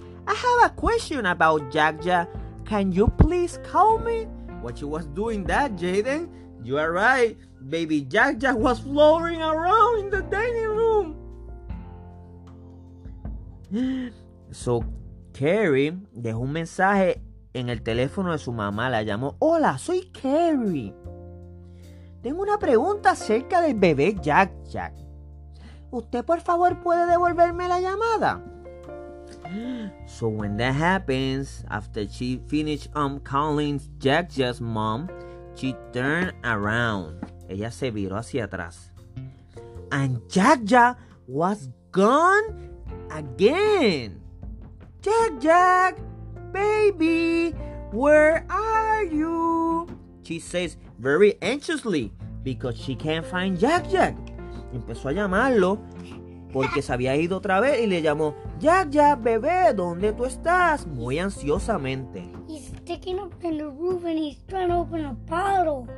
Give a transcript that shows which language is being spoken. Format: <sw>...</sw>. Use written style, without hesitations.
<en>I have a question about Jack. Can you please call me? What she was doing that, Jaden? You are right. Baby Jack-Jack was floating around in the dining room.</en> <es>So, Carrie dejó un mensaje en el teléfono de su mamá. La llamó. Hola, soy Carrie. Tengo una pregunta acerca del bebé Jack-Jack. ¿Usted, por favor, puede devolverme la llamada?</es> <en>So when that happens, after she finished calling Jack-Jack's mom, she turned around.</en> <es>Ella se viró hacia atrás.</es> <en>And Jack-Jack was gone again. Jack-Jack, baby, where are you? She says very anxiously because she can't find Jack-Jack.</en> <es>Empezó a llamarlo porque se había ido otra vez y le llamó, Jack-Jack, bebé, ¿dónde tú estás? Muy ansiosamente.</es> <en>He's sticking up in the roof and he's trying to open a bottle.</en>